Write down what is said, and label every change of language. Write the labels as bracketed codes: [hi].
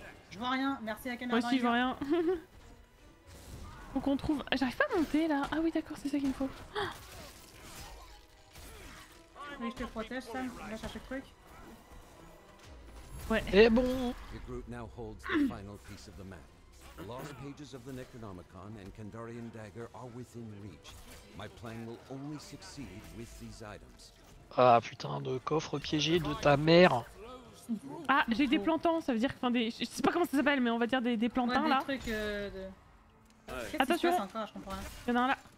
[fr] Je vois rien, merci à Canada. Moi aussi je vois rien. Faut qu'on trouve... J'arrive pas à monter là. Ah oui d'accord, c'est ça qu'il me faut. Oui, je te protège Sam, lâche à chaque truc. Ouais. Et bon. [en] The group now holds the final piece of the map. The lost pages of the Necronomicon and Kandarian Dagger are within reach. My plan will only succeed with these items. [fr] Ah putain de coffre piégé de ta mère. Ah j'ai des plantains, ça veut dire que enfin des. Je sais pas comment ça s'appelle mais on va dire des plantains ouais, des là. Trucs, de... ouais. Attention encore, je comprends rien. Y'en a un là.